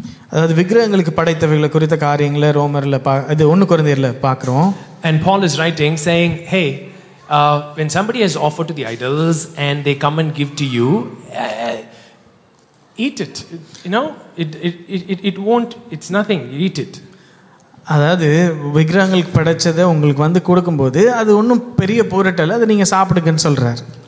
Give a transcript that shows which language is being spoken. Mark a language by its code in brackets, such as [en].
[ta] அதாவது விக்கிரகங்களுக்கு படைத்தவைகளை குறித்த காரியங்களை ரோமர்ல இது ஒன்னு கொரிந்தியர்ல பார்க்கிறோம். [en] And Paul is writing saying, hey, when somebody has offered to the idols and they come and give to you, eat it. You know, it won't, it's nothing, eat it. [ta] அதாவது விக்கிரகங்களுக்கு படைச்சதை உங்களுக்கு வந்து கொடுக்கும்போது அது ஒன்றும் பெரிய போரட்டல, அதை நீங்கள் சாப்பிடுங்கன்னு சொல்கிறார்.